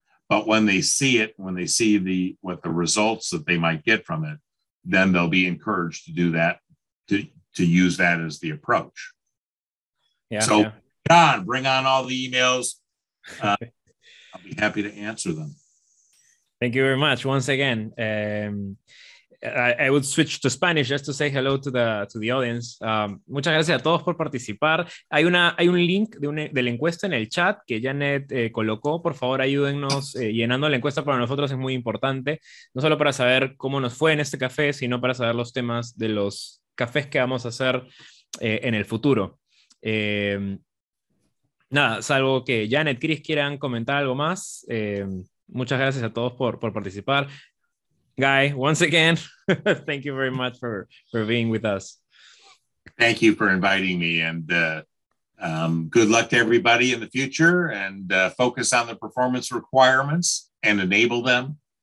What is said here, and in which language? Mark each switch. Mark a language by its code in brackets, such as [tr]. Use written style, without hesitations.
[en] But when they see it, when they see the results that they might get from it, then they'll be encouraged to do that, to use that as the approach. Yeah. So, yeah. John, bring on all the emails. I'll be happy to answer them. Thank you very much. Once again, I would switch to Spanish just to say hello to the audience. [es] Muchas gracias a todos por participar. Hay un link de la encuesta en el chat que Janet colocó. Por favor, ayúdennos llenando la encuesta. Para nosotros es muy importante, no solo para saber cómo nos fue en este café, sino para saber los temas de los cafés que vamos a hacer en el futuro. Nada, salvo que Janet, Chris quieran comentar algo más. Muchas gracias a todos por participar. [en] Guy, once again, thank you very much for being with us. Thank you for inviting me, and good luck to everybody in the future, and focus on the performance requirements and enable them,